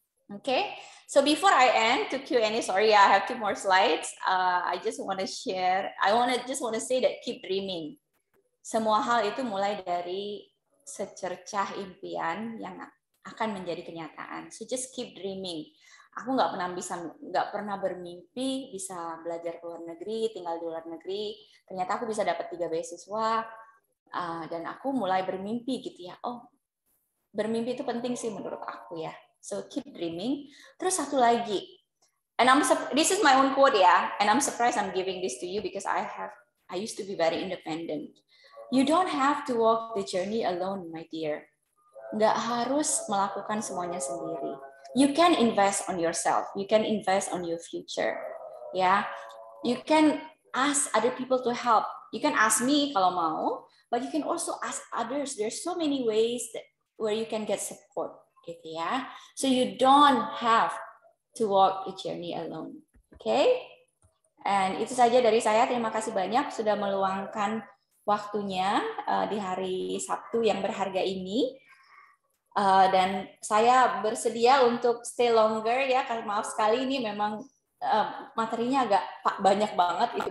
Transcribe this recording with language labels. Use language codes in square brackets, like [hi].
[en] Okay, so before I end to Q&A, sorry, I have 2 more slides. I just want to say that keep dreaming. [id] Semua hal itu mulai dari secercah impian yang akan menjadi kenyataan. [en] So just keep dreaming. [id] Aku nggak pernah bermimpi bisa belajar ke luar negeri, tinggal di luar negeri. Ternyata aku bisa dapat 3 beasiswa dan aku mulai bermimpi gitu ya. Oh, bermimpi itu penting sih menurut aku ya. [en] So keep dreaming. [id] Terus satu lagi, [en] this is my own quote ya, and I'm surprised I'm giving this to you because I used to be very independent. You don't have to walk the journey alone, my dear. [id] Nggak harus melakukan semuanya sendiri. [en] You can invest on yourself. You can invest on your future. Yeah, you can ask other people to help. You can ask me [id] kalau mau, [en] but you can also ask others. There's so many ways where you can get support. [id] Gitu ya. [en] So you don't have to walk the journey alone. Okay? And [id] itu saja dari saya. Terima kasih banyak sudah meluangkan waktunya di hari Sabtu yang berharga ini. Dan saya bersedia untuk [en] stay longer [id] ya. Karena maaf sekali ini memang materinya agak banyak banget.